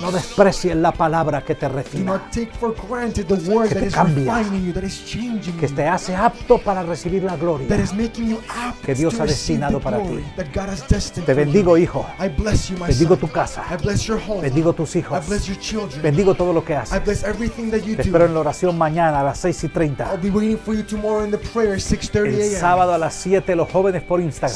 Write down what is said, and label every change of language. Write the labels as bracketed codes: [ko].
[es] No desprecies la palabra que te refina. [en] Do not take for granted the word [es] que [en] that is [es] cambia. [en] Refining you, that is changing you. [es] Que te hace apto para recibir la gloria. [en] That is making you apt [es] que Dios [en] to [es] ha destinado [en] the glory [es] para ti. [en] That God has destined [es] te bendigo, [en] for [es] hijo. [en] I bless you, my [es] bendigo [en] son. [es] Tu casa. [en] I bless your home. [es] Bendigo tus hijos. [en] I bless your children. [es] Bendigo todo lo que haces. [en] I bless everything that you [es] te espero en la oración mañana a las 6:30. [en] I'll be waiting for you tomorrow in the prayer, 6:30 a.m. [es] El sábado a las 7 los jóvenes por Instagram.